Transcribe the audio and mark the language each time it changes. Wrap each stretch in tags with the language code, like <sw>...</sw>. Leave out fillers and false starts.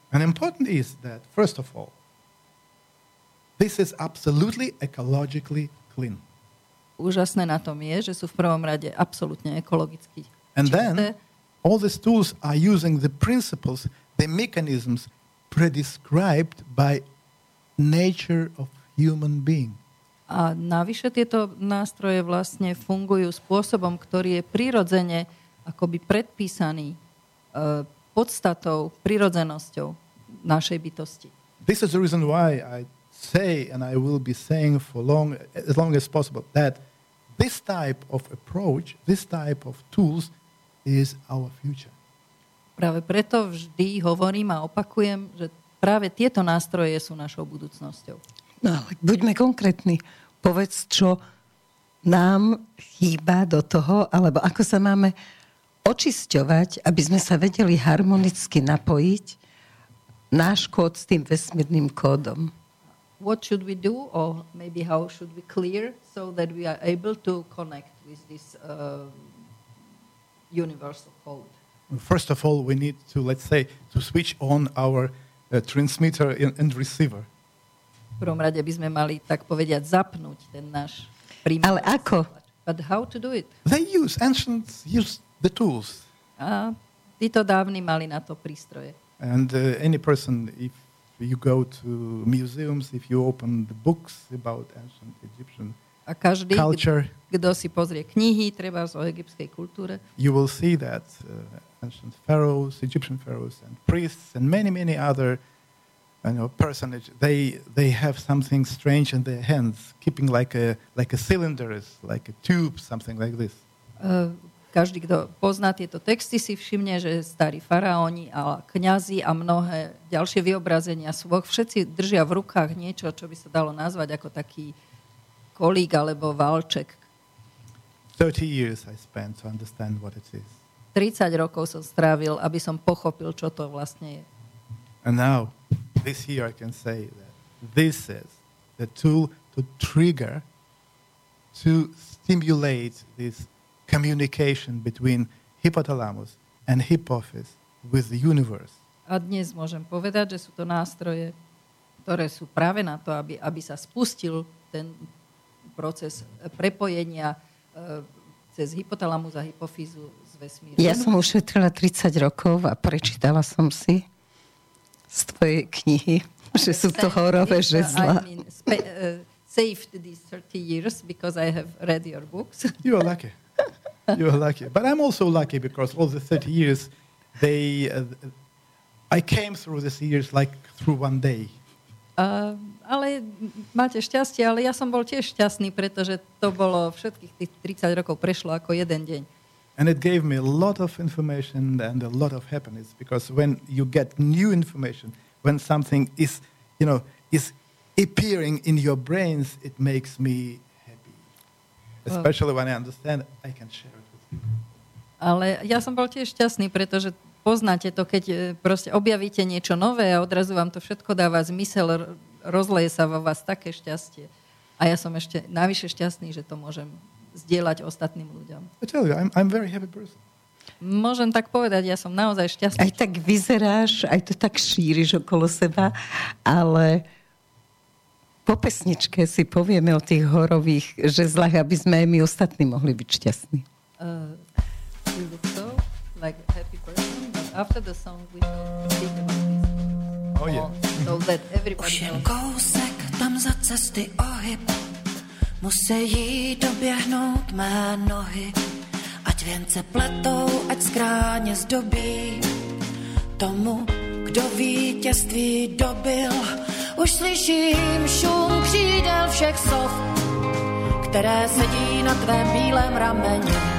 <en>And important is that, first of all, this is absolutely ecologically clean.</en> <sk>Úžasné na tom je, že sú v prvom rade absolútne ekologicky čisté.</sk> <en>And then all these tools are using the principles, the mechanisms prescribed by nature of human being.</en> <sk>A navyše tieto nástroje vlastne fungujú spôsobom, ktorý je prirodzene akoby predpísaný podstatou, prirodzenosťou našej bytosti.</sk> <en>This is the reason why I say and I will be saying for long as long as possible that this type of approach, this type of tools is our future.</en> <sk>Práve preto vždy hovorím a opakujem, že práve tieto nástroje sú našou budúcnosťou. No, buďme konkrétni. Povedz, čo nám chýba do toho, alebo ako sa máme očisťovať, aby sme sa vedeli harmonicky napojiť náš kód s tým vesmírnym kódom.</sk> <en>What should we do, or maybe how should we clear so that we are able to connect with this universal code? First of all, we need to, let's say, to switch on our transmitter and receiver.</en> <sk>V prvom rade by sme mali, tak povediať, zapnúť ten náš primár. Ale ako?</sk> <en>But how to do it? Ancients used the tools.</en> <sk>A títo dávni mali na to prístroje.</sk> <en>And any person, if you go to museums, if you open the books about ancient Egyptian</en> <sk>a každý,</sk> <en>culture,</en> <sk>kto si pozrie knihy, treba o egyptskej kultúre,</sk> <en>you will see that ancient pharaohs, Egyptian pharaohs and priests and many, many other, you know, personages, they have something strange in their hands, keeping like a cylinder, like a tube, something like this.</en> <sk>Každý, kto pozná tieto texty, si všimne, že starí faraóni a kňazi a mnohé ďalšie vyobrazenia sú vo, všetci držia v rukách niečo, čo by sa dalo nazvať ako taký kolík alebo valček.</sk> <en>30 years I spent to understand what it is.</en> <sk>30 rokov som strávil, aby som pochopil, čo to vlastne je.</sk> <en>And now, this year I can say that this is the tool to trigger, to stimulate this communication between hypothalamus and hypophysis with the universe.</en> <sk>A dnes môžem povedať, že sú to nástroje, ktoré sú práve na to, aby sa spustil ten proces prepojenia cez hypothalamus a hypofyzu s vesmírom. Ja som ušetrila 30 rokov a prečítala som si z tvojej knihy, že sú to horové žezla.</sk> <en>Saved these 30 years because I have read your books. You are lucky. You are lucky. But I'm also lucky because all the 30 years, I came through these years like through one day.</en> <sk>Ale máte šťastie, ale ja som bol tiež šťastný, pretože to bolo všetkých tých 30 rokov prešlo ako jeden deň.</sk> <en>And it gave me a lot of information and a lot of happiness because when you get new information, when something is, you know, is appearing in your brains, it makes me happy. Especially when I understand, I can share it with you.</en> <sk>Ale ja som bol tiež šťastný, pretože poznáte to, keď proste objavíte niečo nové a odrazu vám to všetko dáva zmysel, rozleje sa vo vás také šťastie. A ja som ešte najvyššie šťastný, že to môžem zdieľať ostatným ľuďom.</sk> <en>I tell you, I'm very happy person.</en> <sk>Môžem tak povedať, ja som naozaj šťastný. Aj tak vyzeráš, aj to tak šíriš okolo seba, ale po pesničke si povieme o tých horových žezlách, aby sme aj my ostatní mohli byť šťastní.</sk> <en>You look so like a happy person, but after the song we will speak about this. Oh yeah. So that everybody knows.</en> <cs>Už jen kousek tam za cesty ohyb, Musí doběhnout mé nohy, ať věnce pletou, ať skráně zdobí. Tomu, kdo vítězství dobil, už slyším šum křídel všech sov, které sedí na tvém bílém rameni.</cs>